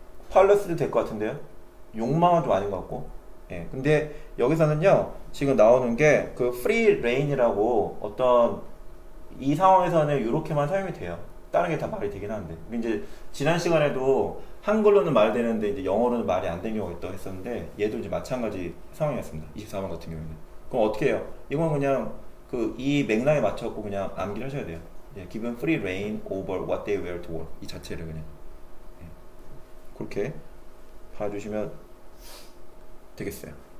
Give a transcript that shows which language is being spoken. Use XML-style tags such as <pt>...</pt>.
<ko>팔러스도 될것 같은데요? 욕망은 좀 아닌 것 같고. 예, 근데 여기서는요, 지금 나오는 게그 free reign이라고 어떤 이 상황에서는 이렇게만 사용이 돼요. 다른 게다 말이 되긴 하는데. 이제 지난 시간에도 한글로는 말 되는데 이제 영어로는 말이 안 되는 경우가 있다고 했었는데 얘도 이제 마찬가지 상황이었습니다. 24번 같은 경우에는. 그럼 어떻게 해요? 이건 그냥 그이 맥락에 맞춰갖고 그냥 암기를 하셔야 돼요.</ko> <en>예, given free reign over what they wear to work.</en> <ko>이 자체를 그냥. 그렇게 봐주시면 되겠어요.</ko>